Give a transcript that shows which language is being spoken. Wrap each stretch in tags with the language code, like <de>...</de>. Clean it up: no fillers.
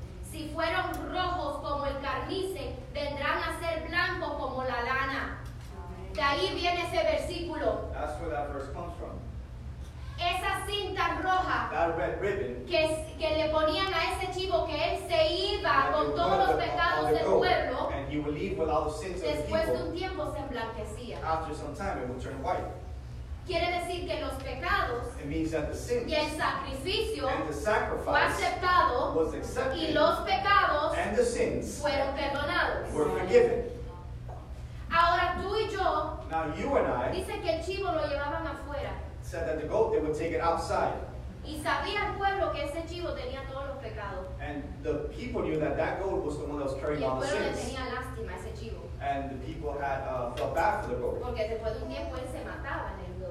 <es>Si fueron rojos como el carmín, vendrán a ser blancos como la lana. De ahí viene ese versículo.</es> <en>That's where that verse comes from.</en> <es>Esa cinta roja.</es> <en>That red ribbon.</en> <es>Que le ponían a ese chivo que él se iba con todos los pecados del pueblo.</es> <en>And he would leave with all the sins of the people.</en> <es>Después de un tiempo se emblanquecía.</es> <en>After some time it would turn white.</en> <es>Quiere decir que los pecados</es> <en>sins,</en> <es>y el sacrificio fue aceptado y los pecados</es> <en>sins,</en> <es>fueron perdonados.</es> <en>Were</en> <es>ahora tú y yo</es> <en>now, you and I,</en> <es>dice que el chivo lo llevaban afuera</es> <en>said that the goat, they would take it outside.</en> <es>Y sabía el pueblo que ese chivo tenía todos los pecados.</es> <en>And the people knew that goat was the one that was carrying all the sins.</en> <es>Y el pueblo tenía lástima ese chivo.</es> <en>And the people had felt bad for the goat.</en> <es>Porque después de un tiempo él se mataba.</es>